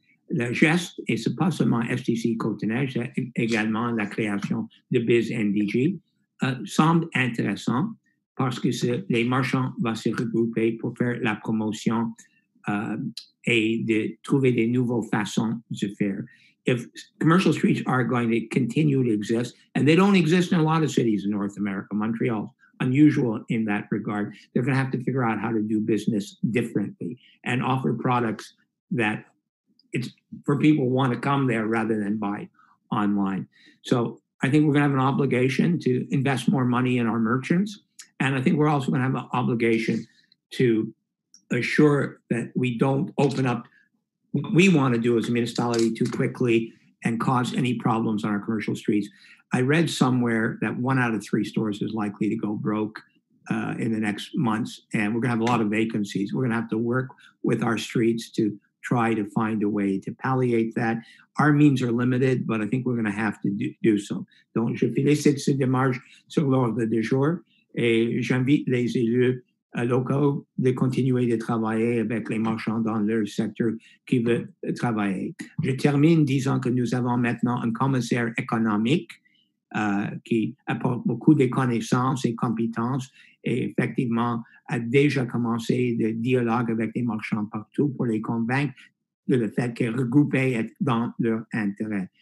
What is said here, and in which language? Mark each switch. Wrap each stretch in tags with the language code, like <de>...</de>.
<fr>Le geste, et ce n'est pas seulement STC Côte-Neige, c'est également la création de BizNDG, semble intéressant parce que les marchands vont se regrouper pour faire la promotion et de trouver des nouvelles façons de faire.</fr> <en>If commercial streets are going to continue to exist, and they don't exist in a lot of cities in North America, Montreal, unusual in that regard, they're going to have to figure out how to do business differently and offer products that it's for people who want to come there rather than buy online. So I think we're going to have an obligation to invest more money in our merchants. And I think we're also going to have an obligation to assure that we don't open up what we want to do as a municipality too quickly and cause any problems on our commercial streets. I read somewhere that 1 out of 3 stores is likely to go broke in the next months, and we're going to have a lot of vacancies. We're going to have to work with our streets to try to find a way to palliate that. Our means are limited, but I think we're going to have to do so.</en> <fr>Donc, je félicite ces démarches sur l'ordre du jour et j'invite les élus locaux de continuer de travailler avec les marchands dans leur secteur qui veut travailler. Je termine disant que nous avons maintenant un commissaire économique qui apporte beaucoup de connaissances et compétences et effectivement a déjà commencé des dialogues avec les marchands partout pour les convaincre de le fait que regrouper est dans leur intérêt.</fr>